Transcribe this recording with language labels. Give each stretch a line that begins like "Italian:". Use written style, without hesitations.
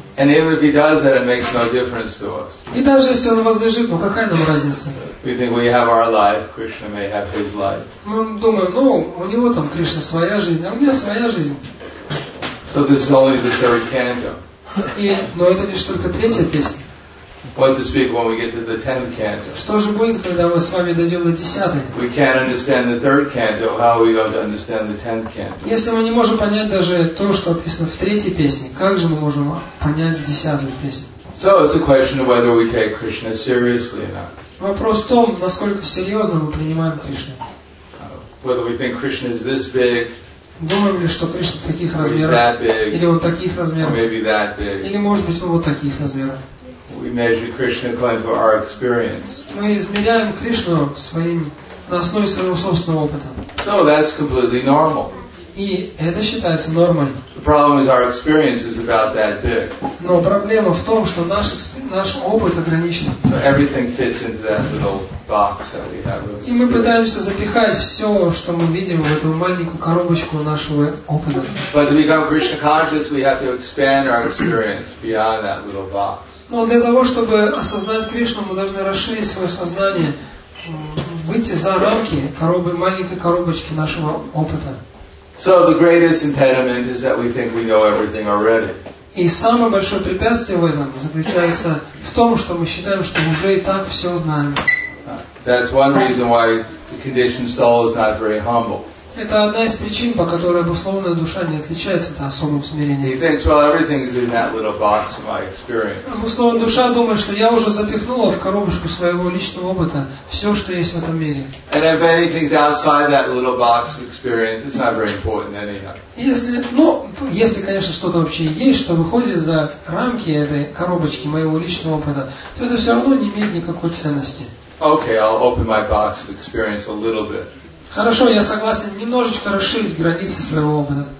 English: And even if he does that, it makes no difference to us.
Russian: И даже если он возлежит, ну какая нам разница?
English: We think we have our life, Krishna may have his life.
Russian: Мы думаем, ну у него там Кришна своя жизнь, а у меня своя жизнь.
English: So this is only the third canto.
Russian: И, но это лишь только третья песня.
English: What to speak when we get to the tenth canto?
Russian: Что же будет, когда мы с вами дойдем до десятой?
English: We can't understand the third canto. How are we going to understand the tenth canto?
Russian: Если мы не можем понять даже то, что описано в третьей песне, как же мы можем понять десятую песню?
English: So it's a question of whether we take Krishna seriously or not.
Russian: Вопрос в том, насколько серьезно мы принимаем Кришну.
English: Whether we think Krishna is this big.
Russian: Думаем ли, что Кришна таких размеров, или вот таких размеров, или может быть вот таких размеров?
English: We measure Krishna according to our experience.
Russian: Мы измеряем Кришну своим, на основе своего собственного опыта.
English: So that's completely normal.
Russian: И это считается нормой.
English: The problem is our experience is about that big.
Russian: Но проблема в том, что наш опыт ограничен.
English: So everything fits into that little box that we have.
Russian: И мы пытаемся запихать все, что мы видим, в эту маленькую коробочку нашего опыта.
English: But to become Krishna conscious, we have to expand our experience beyond that little box.
Russian: Но для того, чтобы осознать Кришну, мы должны расширить свое сознание, выйти за рамки маленькой коробочки нашего опыта.
English: So the greatest impediment is that we think we know everything already.
Russian: И самое большое препятствие в этом заключается в том, что мы считаем, что уже и так все знаем.
English: That's one reason why the conditioned soul is not very humble.
Russian: Это одна из причин, по которой обусловленная душа не отличается от особого смирения.
English: He thinks, well, everything is in that little box of my experience.
Russian: Обусловленная душа думает, что я уже запихнула в коробочку своего личного опыта все, что есть в этом мире.
English: And if anything's outside that little box of experience, it's not very important anyhow.
Russian: Если, конечно, что-то вообще есть, что выходит за рамки этой коробочки моего личного опыта, то это все равно не имеет никакой ценности.
English: Okay, I'll open my box of experience a little bit.
Russian: Хорошо, я согласен немножечко расширить границы своего опыта.